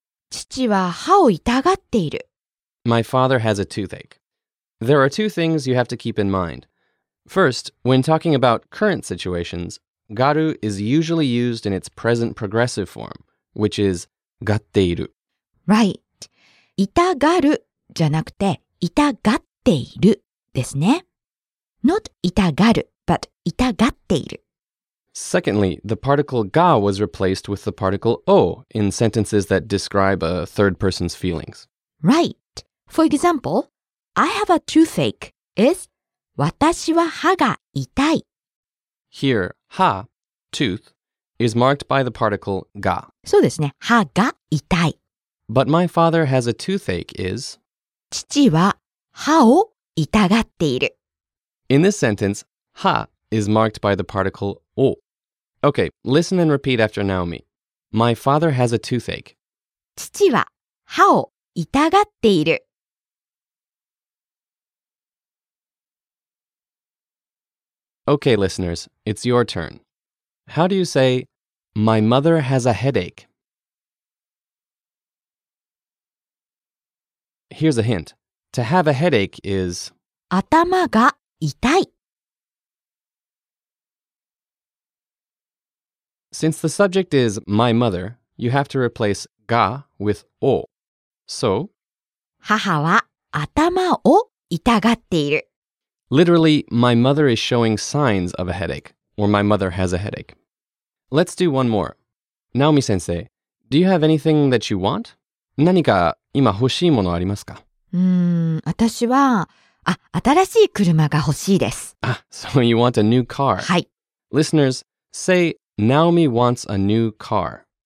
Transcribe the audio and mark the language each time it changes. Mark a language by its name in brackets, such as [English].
[Japanese] 父は歯を痛がっている。 [English] My father has a toothache. There are two things you have to keep in mind. First, when talking about current situations, garu is usually used in its present progressive form, which is がっている。 Right. [Japanese] 痛がるじゃなくて痛がっているですね。 [English] Not 痛がる but 痛がっている。 Secondly, the particle が was replaced with the particle お in sentences that describe a third person's feelings. Right. For example, I have a toothache is [Japanese] 私は歯が痛い。 [English] Here, 歯, tooth, is marked by the particle が. [Japanese] そうですね。歯が痛い。 [English] But my father has a toothache is [Japanese] 父は歯を痛がっている。 [English] In this sentence, 歯 is marked by the particle を. Okay, listen and repeat after Naomi. My father has a toothache. [Japanese] 父は歯を痛がっている。 [English] Okay, listeners, it's your turn. How do you say, My mother has a headache? Here's a hint. To have a headache is [Japanese] 頭が痛い。 [English] Since the subject is my mother, you have to replace が with を. So [Japanese] 母は頭を痛がっている。 [English] Literally, my mother is showing signs of a headache, or my mother has a headache. Let's do one more. Naomi 先生, do you have anything that you want? [Japanese] 何か今欲しいものありますか? 私は、新しい車が欲しいです。 [English] あ、so you want a new car. [Japanese] はい。 [English] Listeners, say, Naomi wants a new car.